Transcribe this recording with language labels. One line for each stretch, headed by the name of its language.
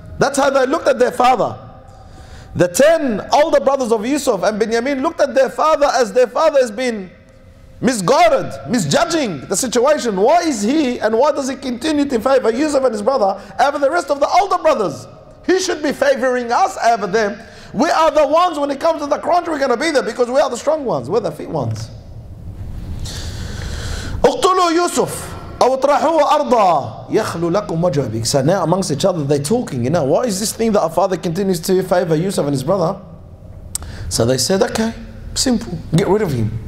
English: That's how they looked at their father. The 10 older brothers of Yusuf and Benjamin looked at their father as their father has been misguided, misjudging the situation. Why is he and why does he continue to favor Yusuf and his brother over the rest of the older brothers? He should be favoring us over them. We are the ones, when it comes to the crunch, we're going to be there because we are the strong ones. We're the fit ones.
Arabic: اقتلوا يوسف أو اطرحوه أرضا يخلو لكم وجه أبيك.
English: So now amongst each other, they're talking, you know, what is this thing that our father continues to favor Yusuf and his brother? So they said, okay, simple, get rid of him.